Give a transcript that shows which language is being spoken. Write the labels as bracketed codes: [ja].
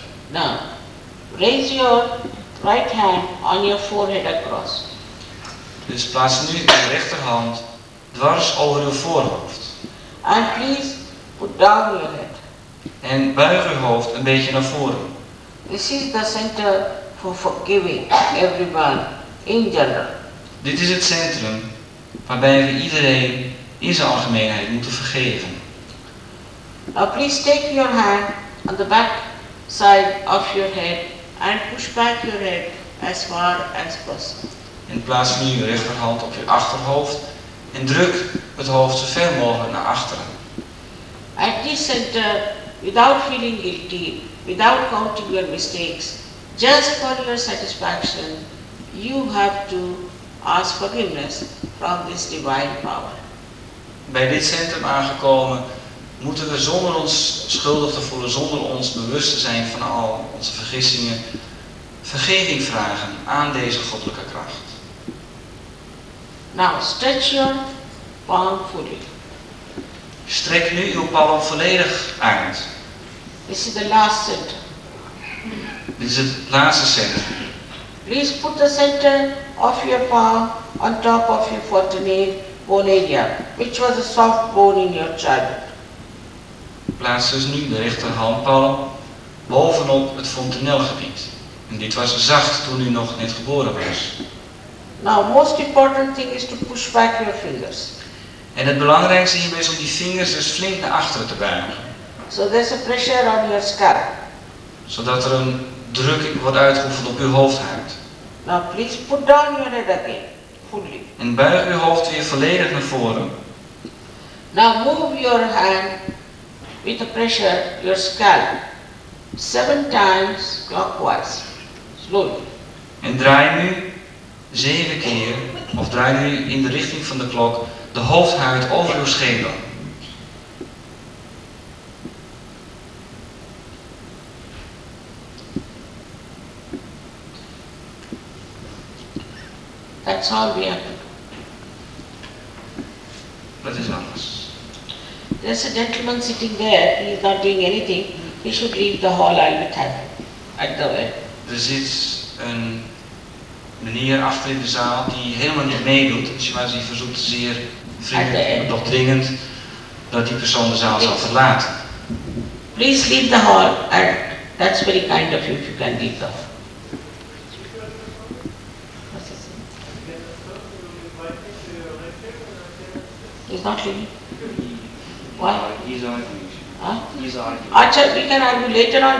[en] Now, raise your right hand on your forehead across. [nl] Dus plaats nu uw rechterhand dwars over uw voorhoofd. [en] And please put down your head. [nl] En buig uw hoofd een beetje naar voren. [en] This is the center for forgiving everyone in general. [nl] Dit is het centrum waarbij we iedereen in zijn algemeenheid moeten vergeven. [en] Now please take your hand on the back side of your head and push back your head as far as possible. [nl] En plaats nu je rechterhand op je achterhoofd en druk het hoofd zo ver mogelijk naar achteren. [en] At this center, without feeling guilty, without counting your mistakes, just for your satisfaction, you have to ask forgiveness from this divine power. [nl] bij dit centrum aangekomen, moeten we zonder ons schuldig te voelen, zonder ons bewust te zijn van al onze vergissingen, vergeving vragen aan deze goddelijke kracht. [en] Now stretch your palm fully. [nl] Strek nu uw palm volledig uit. [en] This is the last center. [nl] Dit is het laatste center. [en] Please put the center of your palm on top of your fourth bone area, which was a soft bone in your childhood. [nl] Plaats dus nu de rechterhandpalm bovenop het fontanelgebied. En dit was zacht toen u nog net geboren was. [en] Now, most important thing is to push back your fingers. [nl] En het belangrijkste hierbij is om die vingers dus flink naar achteren te buigen. [en] So there's a pressure on your scalp. [nl] Zodat er een druk wordt uitgeoefend op uw hoofdhuid. [en] Now please put down your head again, fully. [nl] En buig uw hoofd weer volledig naar voren. [en] Now move your hand with the pressure your scalp 7 times clockwise, slowly. [nl] En draai nu 7 keer, of draai nu in de richting van de klok, de hoofdhuid over uw schedel. [en] That's all we have. That is [nl] alles. [en] There's a gentleman sitting there. He is not doing anything. He should leave the hall. I'll be there. At the way. [nl] Er zit een meneer achter in de zaal die helemaal niet meedoet. Dus hij verzoekt zeer vriendelijk, maar toch dringend, dat die persoon de zaal zal verlaten. [en] Please leave the hall. And that's very kind of you if you can leave the hall. He's not leaving. Why? He's arguing. Huh? Achar, we can argue later on.